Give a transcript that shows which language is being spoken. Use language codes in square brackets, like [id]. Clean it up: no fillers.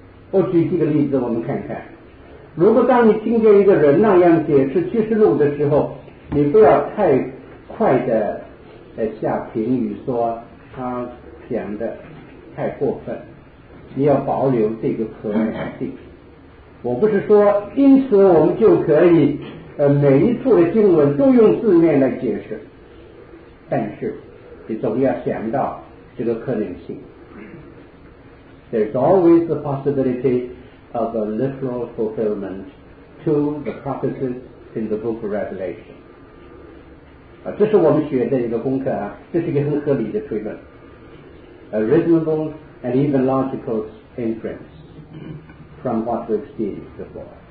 [zh] 我举几个例子我们看看，如果当你听见一个人那样解释启示录的时候，你不要太快的下评语说他讲的太过分，你要保留这个可能性。我不是说因此我们就可以每一处的经文都用字面来解释，但是你总要想到这个可能性。 [en] There's always the possibility of a literal fulfillment to the prophecies in the book of Revelation. [zh] 这是我们学的一个功课啊，这是一个很合理的推论。 [en] A reasonable and even logical inference from what we've seen before.